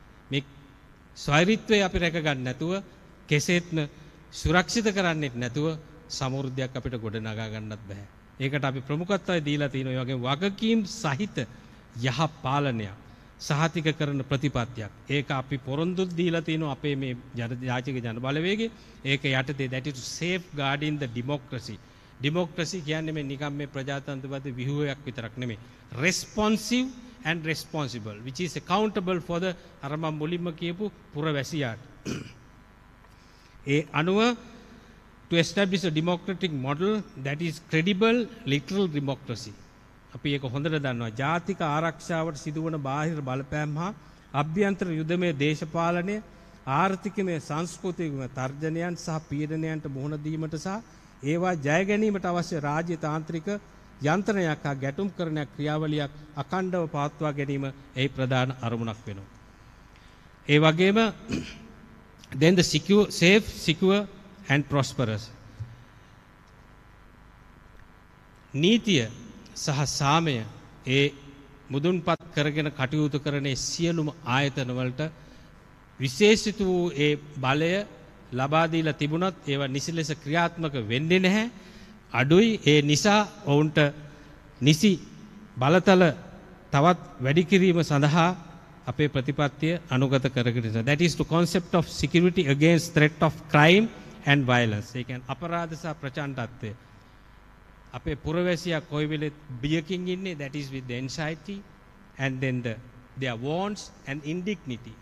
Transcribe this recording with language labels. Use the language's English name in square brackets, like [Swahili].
[Sinhala] මේ ස්වෛරීත්වය අපි රැක ගන්න නැතුව, කෙසේත්න සුරක්ෂිත කරන්නේ නැතුව සමෘද්ධියක් අපිට ගොඩනගා ගන්නත් බෑ. ඒකට අපි ප්‍රමුඛත්වය දීලා තියෙන ඒ වගේ වගකීම් සහිත යහ පාලනය සහතික කරන ප්‍රතිපත්තියක්. ඒක අපි පොරොන්දු දීලා තිනෝ අපේ මේ ජාතික ජනබලවේගේ. ඒක යටතේ [English] that is safe guarding the democracy. [Sinhala] ඩිමොක්‍රසි කියන්නේ මේ නිකම් මේ ප්‍රජාතන්ත්‍රවාද විහුවයක් විතරක් නෙමෙයි. [English] Responsive and responsible, which is accountable for the [Sinhala] අර මම මුලින්ම කියපු පුරවැසියාට. ඒ අනුව [English] to establish a democratic model that is credible, literal democracy. [Sinhala] අපි ඒක හොඳට දන්නවා. ජාතික ආරක්ෂාවට සිදුවන බාහිර බලපෑම් හා අභ්‍යන්තර යුදමය දේශපාලනය, ආර්ථිකමය සංස්කෘතිකමය තර්ජනයන් සහ පීඩනයන්ට මුහුණ දීමට සහ ඒවා ජයගැනීමට අවශ්‍ය රාජ්‍ය තාන්ත්‍රික යන්ත්‍රණයක් හා ගැටුම් කරන ක්‍රියාවලියක් අකණ්ඩව පවත්වා ගැනීම එහි ප්‍රධාන අරමුණක් වෙනවා. ඒ වගේම [English] then the safe, secure and prosperous. [Sinhala] නීතිය සහ සාමය ඒ මුදුන්පත් කරගෙන කටයුතු කරන සියලුම ආයතනවලට විශේෂිත වූ ඒ බලය ලබා දීලා තිබුණත් ඒව නිසි ලෙස ක්‍රියාත්මක වෙන්නේ නැහැ. අඩුයි ඒ නිසා ඔවුන්ට නිසි බලතල තවත් වැඩි කිරීම සඳහා අපේ ප්‍රතිපත්තිය අනුගත කරගෙන ඉන්නවා. [English] That is the concept of security against threat of crime and violence. [Sinhala] ඒ කියන්නේ අපරාධ සහ ප්‍රචණ්ඩත්වය. අපේ පුරවැසියා කොයි වෙලෙත් බියකින් ඉන්නේ. [English] That is with the anxiety and then their wants and indignity.